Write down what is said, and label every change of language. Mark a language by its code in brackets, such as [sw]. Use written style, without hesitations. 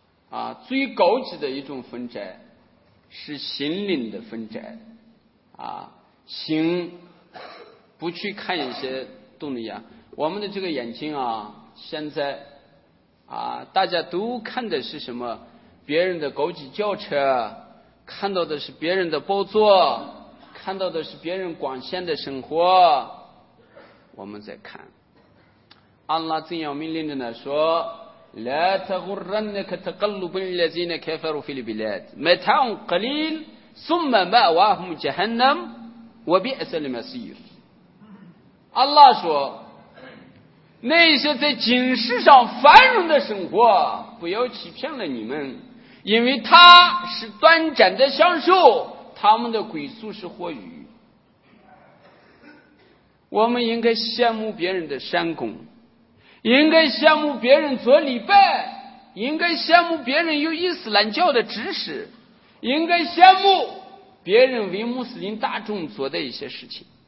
[zh] 啊，最高级的一种分斋是心灵的分斋，啊，心不去看一些动力啊，我们的这个眼睛啊，现在啊，大家都看的是什么？别人的高级轿车，看到的是别人的宝座，看到的是别人光鲜的生活，我们在看。安拉怎样命令的呢？说。 [ar] لا تغرنك تقلب الذين كفروا في البلاد متاع قليل ثم مأواهم جهنم وبئس المصير. [zh] Allah 说，那些在今世上繁荣的生活，不要欺骗了你们，因为它是短暂的享受，他们的归宿是火狱。我们应该羡慕别人的善功。应该羡慕别人做礼拜，应该羡慕别人有伊斯兰教的知识，应该羡慕别人为穆斯林大众做的一些事情。